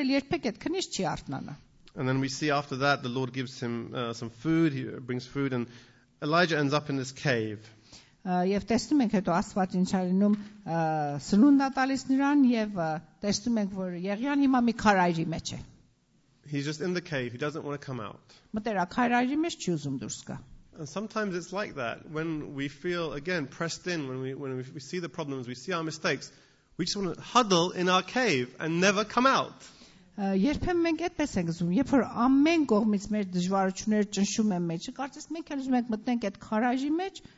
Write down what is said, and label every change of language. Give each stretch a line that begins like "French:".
English: And then we see after that, the Lord gives him some food, he brings food, and Elijah ends up in this cave.
Armenian: Եվ տեսնում ենք հետո Աստված ինչ արինում սնունդն է տալիս նրան եւ տեսնում ենք որ Եղիան հիմա մի քարայրի մեջ է.
English: He's just in the cave. He doesn't want to come out.
Armenian: Մտերա քարայրի մեջ չի ուզում դուրս գա.
English: And sometimes it's like that when we feel again pressed in when we see the problems, we see our mistakes, we just want to huddle in our cave and never come out.
Armenian: Երբեմն մենք այդպես ենք զում, երբ որ ամեն կողմից մեր դժվարությունները ճնշում են մեջը, կարծես մենք էլ ուզում ենք մտնենք այդ քարայրի մեջ.